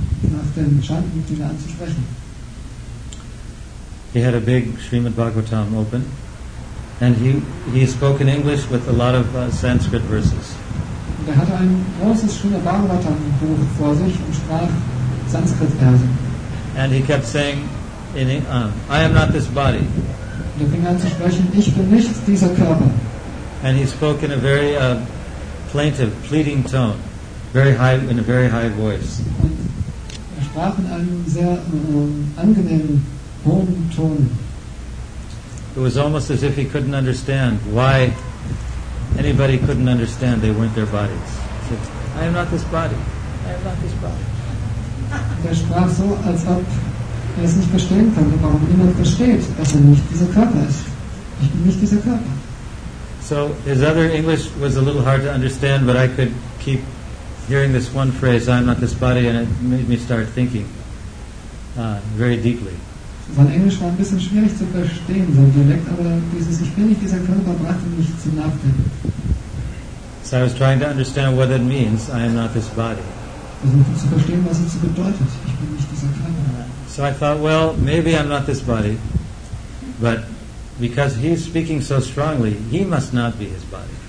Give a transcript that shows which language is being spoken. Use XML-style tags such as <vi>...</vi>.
<de>Nach dem Chanten fing er an zu sprechen.</de> <en>He had a big Srimad Bhagavatam open. And he spoke in English with a lot of Sanskrit verses.</en> <de>Und er hatte ein großes Srimad Bhagavatam Buch vor sich und sprach Sanskrit Versen.</de> <en>And he kept saying, I am not this body.</en> <de>Und er fing an zu sprechen, ich bin nicht dieser Körper.</de> <en>And he spoke in a very plaintive, pleading tone, in a very high voice. Und er sprach in einem sehr angenehmen, hohen Ton. It was almost as if he couldn't understand why anybody couldn't understand they weren't their bodies. He said, I am not this body. I am not this body.</en> <de>Er sprach so, als ob er es nicht verstehen könnte, warum niemand versteht, dass er nicht dieser Körper ist. Ich bin nicht dieser Körper.</de> <en>So his other English was a little hard to understand, but I could keep hearing this one phrase, I'm not this body, and it made me start thinking very deeply.</en> <de>Sein Englisch war ein bisschen schwierig zu verstehen, sein Dialekt, aber dieses Ich bin nicht dieser Körper brachte mich zum Nachdenken.</de> <en>So I was trying to understand what that means, I am not this body.</en> <de>Zu verstehen, was es bedeutet, ich bin nicht dieser Körper.</de> <en>So I thought, well, maybe I'm not this body, but because he's speaking so strongly, he must not be his body.</en>